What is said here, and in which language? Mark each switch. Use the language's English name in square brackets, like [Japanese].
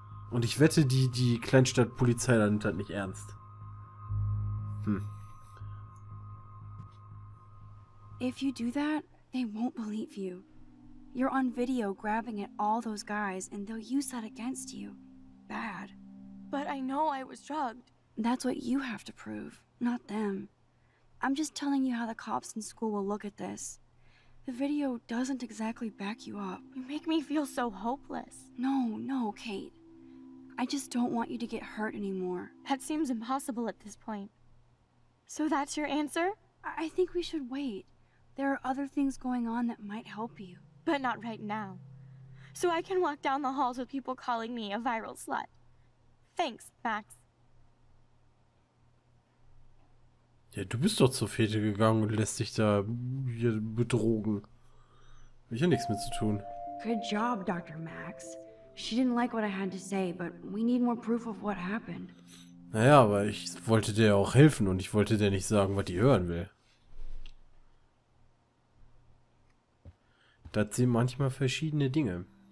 [German] Und ich wette, die Kleinstadtpolizei nimmt das nicht ernst. [English] If you do that, they won't believe you. You're on video grabbing at all those guys and they'll use that against you. Bad. But I know I was drugged. That's what you have to prove, not them. I'm just telling you how the cops in school will look at this. The video doesn't exactly back you up. You make me feel so hopeless. No, Kate. I just don't want you to get hurt anymore. That seems impossible at this point. So that's your answer? I think we should wait. There are other things going on that might help you. But not right now. So I can walk down the halls with people calling me a viral slut. Thanks, Max. [German] Ja, du bist doch zur Fete gegangen und lässt dich da betrogen. Hab ich ja nichts mit zu tun. [English] Good job, Dr. Max. She didn't like what I had to say, but we need more proof of what happened. [German] Naja, aber ich wollte dir auch helfen und ich wollte dir nicht sagen, was die hören will. Das sind manchmal verschiedene Dinge.